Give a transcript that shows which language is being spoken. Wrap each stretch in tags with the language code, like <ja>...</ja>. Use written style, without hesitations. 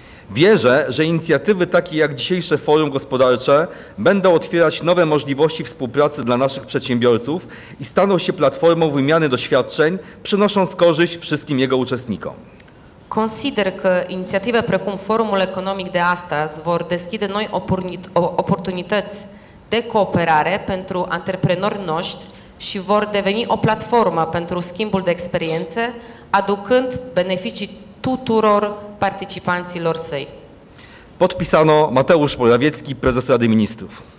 <pl>Wierzę, że inicjatywy takie jak dzisiejsze forum gospodarcze będą otwierać nowe możliwości współpracy dla naszych przedsiębiorców i staną się platformą wymiany doświadczeń, przynosząc korzyść wszystkim jego uczestnikom.</pl> <ro>Consider că inițiative precum Forumul Economic de astăzi vor deschide noi oportunități de cooperare pentru antreprenori noștri și vor deveni o platformă pentru schimbul de experiențe, aducând beneficii tuturor participanților săi.</ro> <pl>Podpisano Mateusz Morawiecki, prezes Rady Ministrów.</pl>